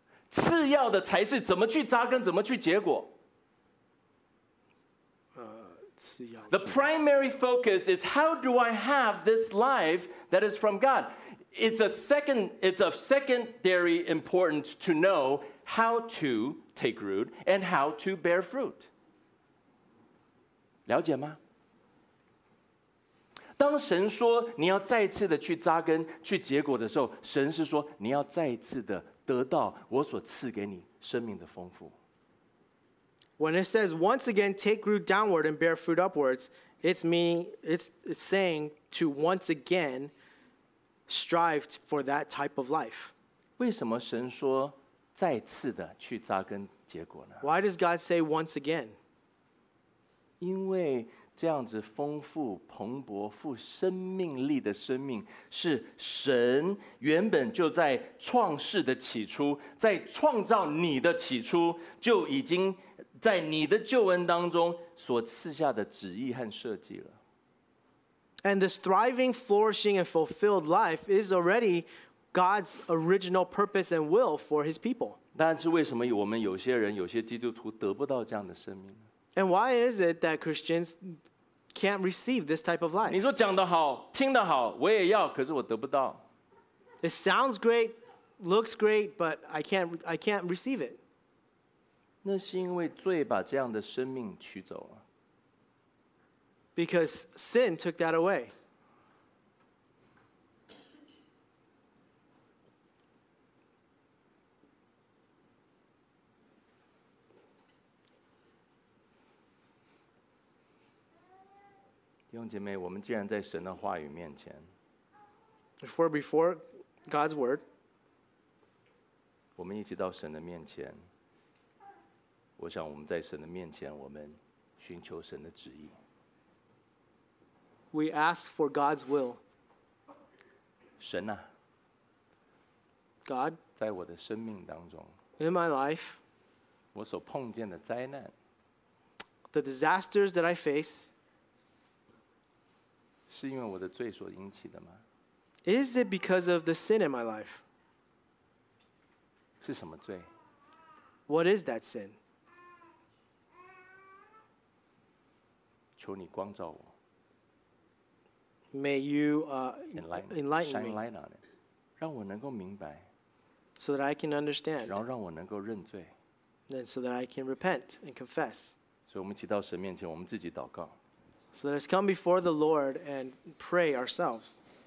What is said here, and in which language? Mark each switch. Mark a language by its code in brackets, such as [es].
[zh] 次要的才是怎么去扎根，怎么去结果。次要的。 [en] The primary focus is how do I have this life that is from God? It's a secondary important to know how to take root and how to bear fruit. [zh] 了解吗？当神说你要再次的去扎根、去结果的时候，神是说你要再次的得到我所赐给你生命的丰富。 [en] When it says once again take root downward and bear fruit upwards, it's saying to once again. Strive for that type of life. [zh] 为什么神说再次的去扎根结果呢？ [en] Why does God say once again? [zh] 因为这样子丰富蓬勃富生命力的生命是神原本就在创世的起初，在创造你的起初就已经在你的救恩当中所赐下的旨意和设计了。 [en] And this thriving, flourishing, and fulfilled life is already God's original purpose and will for His people. [zh] 但是为什么我们有些人、有些基督徒得不到这样的生命呢？ [en] And why is it that Christians can't receive this type of life? [zh] 你说讲得好、听得好，我也要，可是我得不到。 [en] It sounds great, looks great, but I can't receive it. [zh] 那是因为罪把这样的生命取走了。 [en] Because sin took that away. [zh] 弟兄姐妹，我们既然在神的话语面前， [en] If we're before God's word, [zh] 我们一起到神的面前，我想我们在神的面前，我们寻求神的旨意。 [en] We ask for God's will. [zh] 神啊， [en] God, [zh] 在我的生命当中， [en] in my life, [zh] 我所碰见的灾难， [en] the disasters that I face, [zh] 是因为我的罪所引起的吗？ [en] Is it because of the sin in my life? [zh] 是什么罪？ [en] What is that sin? [zh] 求你光照我。 [en] May you enlighten me. [zh] 让我能够明白。 [en] So that I can understand. [zh] 然后让我能够认罪。 [en] And so that I can repent and confess. [zh] 所以我们一起到神面前，我们自己祷告。 [en] So let's come before the Lord and pray ourselves.